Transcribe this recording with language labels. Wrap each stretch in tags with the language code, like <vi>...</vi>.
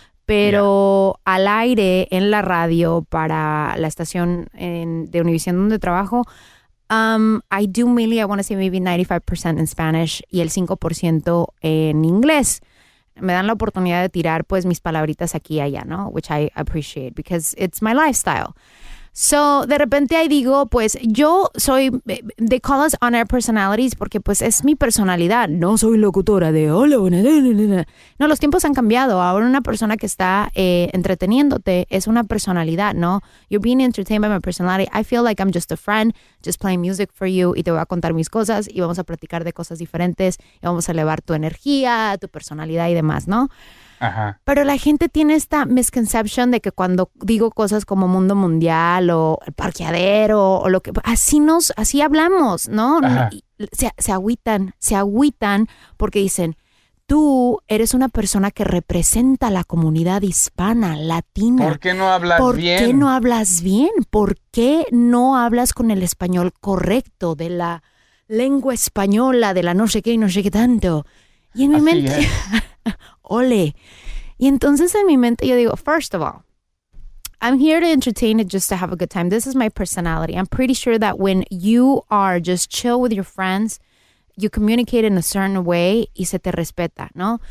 <es>Pero al aire, en la radio, para la estación de Univision donde trabajo,</es> <en>I want to say maybe 95% in Spanish</en> <es>y el 5% en inglés. Me dan la oportunidad de tirar pues mis palabritas aquí y allá, ¿no?</es> <en>Which I appreciate because it's my lifestyle.</en> <es>So, de repente ahí digo, pues, yo soy,</es> <en>they call us on-air personalities</en> <es>porque, pues, es mi personalidad. No soy locutora de hola, buena. No, los tiempos han cambiado. Ahora una persona que está entreteniéndote es una personalidad, ¿no?</es> <en>You're being entertained by my personality. I feel like I'm just a friend, just playing music for you</en> <es>y te voy a contar mis cosas y vamos a platicar de cosas diferentes y vamos a elevar tu energía, tu personalidad y demás, ¿no? Ajá. Pero la gente tiene esta misconception de que cuando digo cosas como mundo mundial o el parqueadero o lo que así hablamos, ¿no? Se agüitan porque dicen, tú eres una persona que representa la comunidad hispana, latina. ¿Por qué no hablas ¿Por bien? ¿Por qué no hablas bien? ¿Por qué no hablas con el español correcto de la lengua española, de la no sé qué y no sé qué tanto? Y en así mi mente... Es. Ole. Y entonces en mi mente yo digo,</es> <en>first of all, I'm here to entertain it just to have a good time. This is my personality. I'm pretty sure that when you are just chill with your friends, you communicate in a certain way</en> <es>y se te respeta, ¿no?</es>